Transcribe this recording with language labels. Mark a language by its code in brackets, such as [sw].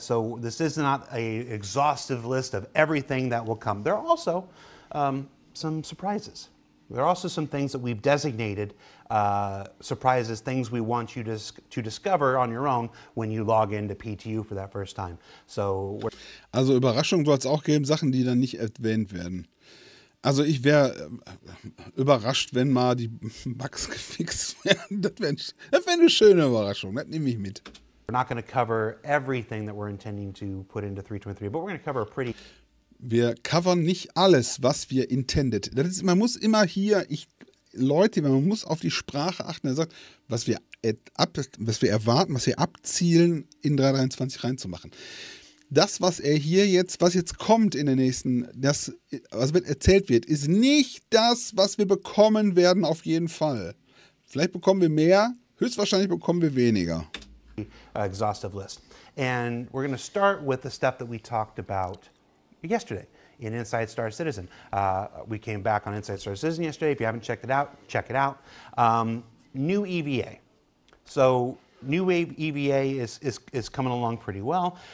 [en] So this is not an exhaustive list of everything that will come. There are also some surprises. There are also some things that we've designated surprises, things we want you to discover on your own when you log into PTU for that first time. So [de] also Überraschungen wird es auch geben, Sachen, die dann nicht erwähnt werden. Also ich wäre überrascht, wenn mal die Bugs gefixt werden. Das wär eine schöne Überraschung. Das nehme ich mit. [en] We're not going to cover everything that we're intending to put into 3.23, but we're going to cover a pretty. [de] Wir covern nicht alles, was wir intended. Das ist, man muss immer hier, man muss auf die Sprache achten. Er sagt, was wir erwarten, was wir abzielen, in 3.23 reinzumachen. Das, was er hier jetzt, was jetzt kommt in der nächsten, das, was erzählt wird, ist nicht das, was wir bekommen werden, auf jeden Fall. Vielleicht bekommen wir mehr, höchstwahrscheinlich bekommen wir weniger. [en] Exhaustive list. And we're going to start with the stuff that we talked about yesterday in Inside Star Citizen. We came back on Inside Star Citizen yesterday. If you haven't checked it out, check it out. New EVA. So new wave EVA is coming along pretty well.